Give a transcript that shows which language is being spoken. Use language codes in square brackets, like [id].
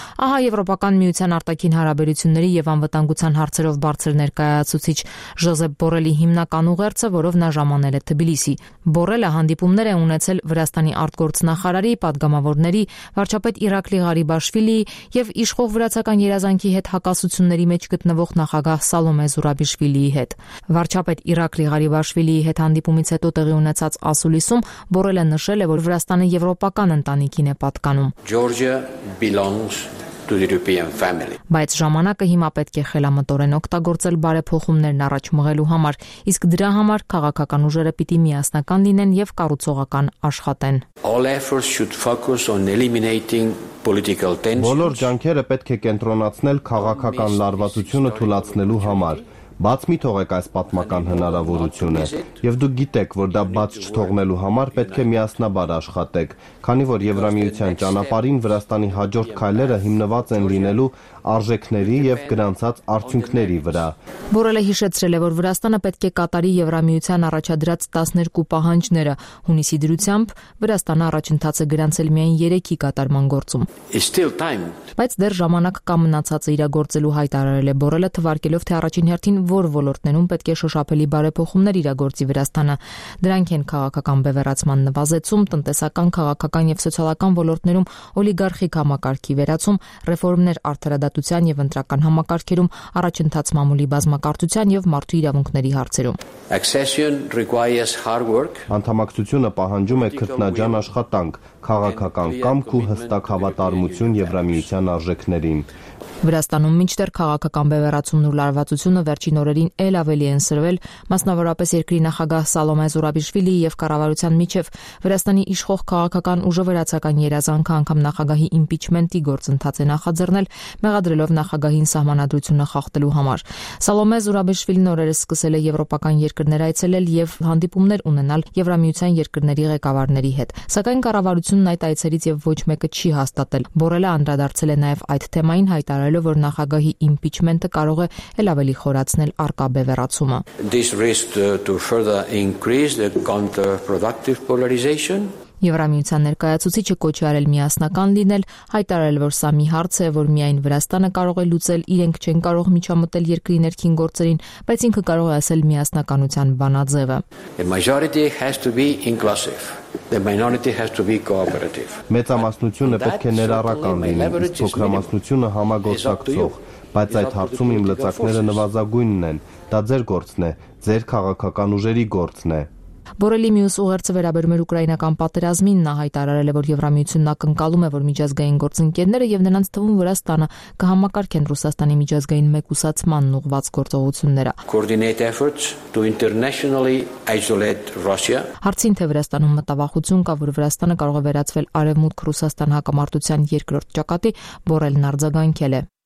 [hy] Ահա Եվրոպական միության արտաքին հարաբերությունների եւ անվտանգության հարցերով բարձր ներկայացուցիչ Ժոզեփ Բորելի հիմնական ուղերձը, որով նա ժամանել է Թբիլիսի։ Բորելը հանդիպումներ է ունեցել Վրաստանի արտգործնախարարի, падգամավորների, վարչապետ Իրակլի Ղարիբաշվիլի եւ իշխող վրացական երազանքի հետ հակասությունների մեջ գտնվող նախագահ Սալոմե Զուրաբիշվիլիի հետ։ Վարչապետ Իրակլի Ղարիբաշվիլիի հետ հանդիպումից հետո տեղի ունեցած ասուլիսում Բորելը նշել է, որ Վրաստանը եվրոպական ընտանիքին է պատկանում։ [en] Georgia belongs to the European family. [hy] Բայց ժամանակը հիմա պետք է խելամտորեն օգտագործել բարեփոխումներն առաջ մղելու համար, իսկ դրա համար քաղաքական ուժերը պիտի միասնական լինեն եւ կառուցողական աշխատեն։ [en] All efforts should focus on eliminating political tensions. [hy] Բոլոր ջանքերը պետք է կենտրոնացնել քաղաքական լարվածությունը թույլատնելու համար։ Բաց մի թողեք այս պատմական հնարավորությունը, եւ դուք գիտեք, որ դա բաց չթողնելու համար պետք է միասնաբար աշխատեք, քանի որ Եվրամիության ճանապարհին Վրաստանի հաջորդ քայլերը հիմնված են լինելու արժեքների եւ գրանցած արդյունքների վրա։ Բորելը հիշեցրել է, որ Վրաստանը պետք է կատարի Եվրամիության առաջադրած 12 պահանջները, հունիսի դրությամբ Վրաստանը առաջընթացը գրանցել միայն 3-ի կատարման գործում։ Բայց դեռ ժամանակ կա մնացածը իրագործելու, հայտարարել է Բորելը, թվարկելով թե առաջին հերթին որ ոլորտներում պետք է շոշափելի բարեփոխումներ իրագործի Վրաստանը։ Դրանք են քաղաքական բևեռացման նվազեցում, տնտեսական, քաղաքական եւ սոցիալական ոլորտներում օլիգարխիկ համակարգի վերացում, ռեֆորմներ արտարադատության եւ ընտրական համակարգերում, առաջընթաց մամուլի բազմակարծության եւ մարդու իրավունքների հարցերում։ [en] Accession requires hard work. [hy] Անդամակցությունը պահանջում է քրտնաջան աշխատանք, քաղաքական կամք ու հստակ հավատարմություն Եվրամիության արժեքներին։ Վրաստանում մինչդեռ քաղաքական բևեռացումն ու լարվածությունը վերջին օրերին էլ ավելի են սրվել, մասնավորապես երկրի նախագահ Սալոմե Զուրաբիշվիլի եւ կառավարության միջև Վրաստանի իշխող քաղաքական ուժը վերացական երազանքը անգամ նախագահի իմպիչմենտի գործընթաց է նախաձեռնել, մեղադրելով նախագահին սահմանադրությունը խախտելու համար։ Սալոմե Զուրաբիշվիլին օրերս սկսել է եվրոպական երկրներ այցելել եւ հանդիպումներ ունենալ Եվրամիության երկրների ղեկավարների հետ։ Սակայն կառավարությունն այդ այցերից եւ ոչ մեկը չի հաստատել։ Բորելը անդրադարձել է նաեւ այդ թեմային հայտարարելով, որ նախագահի իմպիչմենտը կարող է ել ավելի խորացնել արկա բևեռացումը։ [en] This risk to further increase the counterproductive polarization. [hy] Եվրամիության ներկայացուցիչը կոչ արել միասնական լինել, հայտարարել, որ սա մի հարց է, որ միայն Վրաստանը կարող է լուծել, իրենք չեն կարող միջամտել երկրի ներքին գործերին, բայց ինքը կարող է ասել միասնականության բանաձևը։ [en] The majority has to be inclusive. The minority has to be cooperative. [hy] Մեծամասնությունը պետք է ներառական լինի, փոքրամասնությունը համագործակցող, բայց այդ հարցում իմ լծակները նվազագույնն են։ Դա ձեր գործն է, ձեր քաղաքական ուժերի գործն է։ Բորելի մյուս ուղերձը վերաբերում է Ուկրաինական պատերազմին, նա հայտարարել է, որ Եվրամիությունն ակնկալում է, որ միջազգային գործընկերները եւ նրանց թվում Վրաստանը կհամակարգեն Ռուսաստանի միջազգային մեկուսացման ուղված գործողությունները. [en] Coordinate efforts to internationally isolate Russia. [hy] Հարցին թե Վրաստանում մտավախություն կա, որ Վրաստանը կարող է վերածվել արևմուտք Ռուսաստան հակամարտության երկրորդ ճակատի, Բորելն արձագանքել է.